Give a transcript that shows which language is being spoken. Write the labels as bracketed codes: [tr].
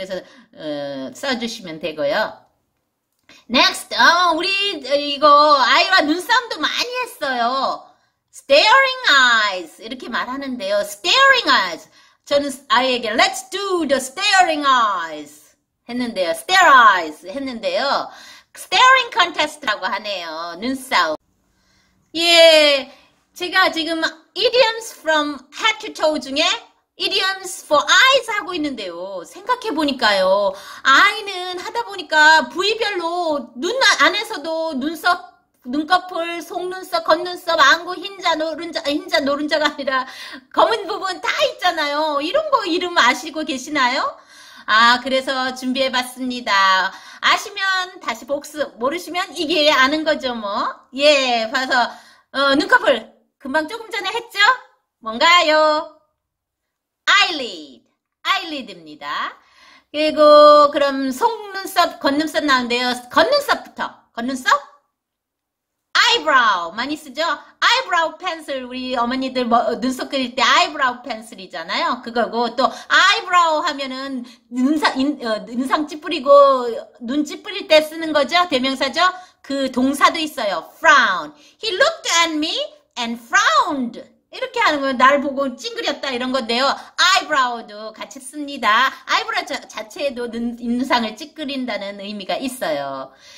[ko] 그래서 써주시면 되고요. Next, 우리 이거 아이와 눈싸움도 많이 했어요. [en] Staring eyes 이렇게 말하는데요. Staring eyes. [ko] 저는 아이에게 [en] Let's do the staring eyes [ko] 했는데요. [en] Stare eyes [ko] 했는데요. [en] Staring contest [ko] 라고 하네요. 눈싸움. 예, 제가 지금 [en] idioms from head to toe 중에 idioms for eyes [ko] 하고 있는데요. 생각해 보니까요, 아이는 하다 보니까 부위별로 눈 안에서도 눈썹 눈꺼풀, 속눈썹, 겉눈썹, 안구, 흰자, 노른자가 아니라 검은 부분 다 있잖아요. 이런 거 이름 아시고 계시나요? 아, 그래서 준비해 봤습니다. 아시면 다시 복습, 모르시면 이게 아는 거죠, 뭐. 예, 봐서, 눈꺼풀, 금방 조금 전에 했죠? 뭔가요? 아일리드. 아일리드입니다. 그리고, 그럼 속눈썹, 겉눈썹 나오는데요. 겉눈썹부터. 겉눈썹? 아이브라우 많이 쓰죠? 아이브라우 펜슬 우리 어머니들 뭐, 눈썹 그릴 때 아이브라우 펜슬이잖아요. 그거고 또 아이브라우 하면은 눈상 찌푸리고 눈 찌푸릴 때 쓰는 거죠? 대명사죠? 그 동사도 있어요. frown. [en] He looked at me and frowned. [ko] 이렇게 하는 거예요. 날 보고 찡그렸다 이런 건데요. 아이브라우도 같이 씁니다. 아이브라우 자체에도 눈상을 찌그린다는 의미가 있어요.